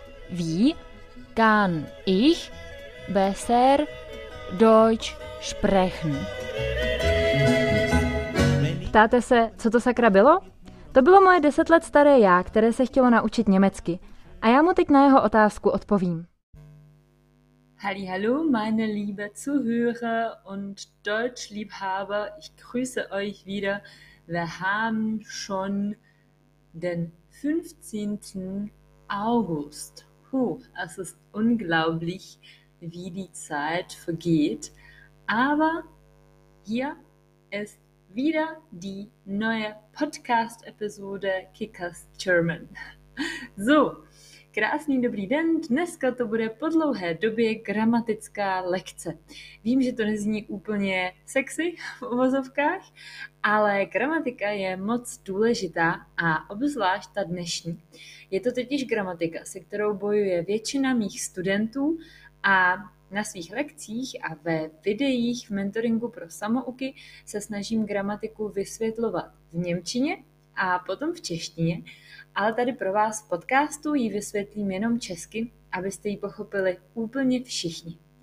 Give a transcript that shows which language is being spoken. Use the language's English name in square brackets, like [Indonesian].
[German] Wie kann ich besser Deutsch sprechen? [Czech] Ptáte se, co to sakra bylo? To bylo moje 10 let staré já, které se chtělo naučit německy. A já mu teď na jeho otázku odpovím. [German] Hallihallo, meine liebe Zuhörer und Deutschliebhaber. Ich grüße euch wieder. Wir haben schon den 15. August. Puh, es ist unglaublich, wie die Zeit vergeht. Aber hier ist wieder die neue Podcast-Episode Kickers German. [Czech] So, krásný dobrý den, dneska to bude po dlouhé době gramatická lekce. Vím, že to nezní úplně sexy v uvozovkách, ale gramatika je moc důležitá a obzvlášť ta dnešní. Je to totiž gramatika, se kterou bojuje většina mých studentů a na svých lekcích a ve videích v mentoringu pro samouky se snažím gramatiku vysvětlovat v němčině a potom v češtině, ale tady pro vás v podcastu ji vysvětlím jenom česky, abyste ji pochopili úplně všichni.